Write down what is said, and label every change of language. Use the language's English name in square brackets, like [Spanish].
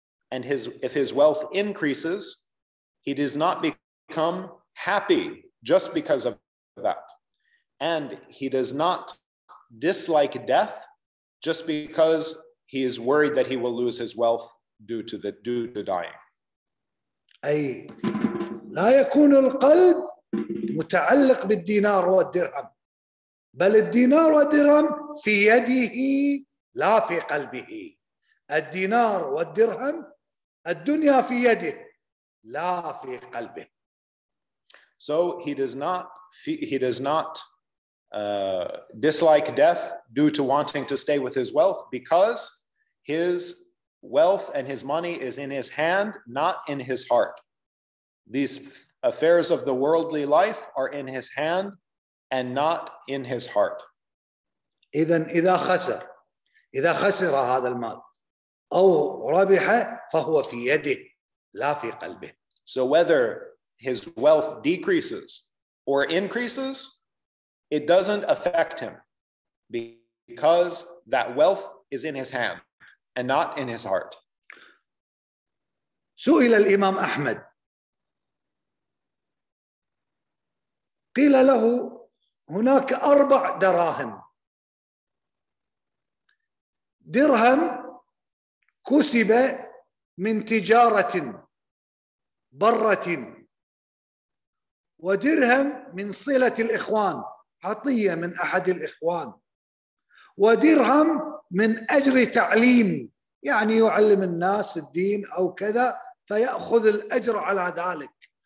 [English] And if his wealth increases, he does not become happy just because of that. And he does not dislike death just because he is worried that he will lose his wealth due to dying. [Arabic] أي لا يكون القلب متعلق بالدينار والدرهم، بل الدينار والدرهم في يده لا في قلبه. الدينار والدرهم الدنيا في يده لا في قلبه. [English] So he does not dislike death due to wanting to stay with his wealth, because his wealth and his money is in his hand, not in his heart. These affairs of the worldly life are in his hand and not in his heart. [Arabic] إذن إذا خسر هذا المال أو ربح فهو في يده لا في قلبه. [English] So whether his wealth decreases or increases, it doesn't affect him, because that wealth is in his hand and not in his heart. [Arabic] سئل الإمام أحمد، قيل له هناك 4 دراهم، درهم كسب من تجارة برة، ودرهم من صلة الإخوان، عطية من أحد الإخوان، ودرهم من أجر تعليم، يعني يعلم الناس الدين أو كذا فيأخذ الأجر على ذلك،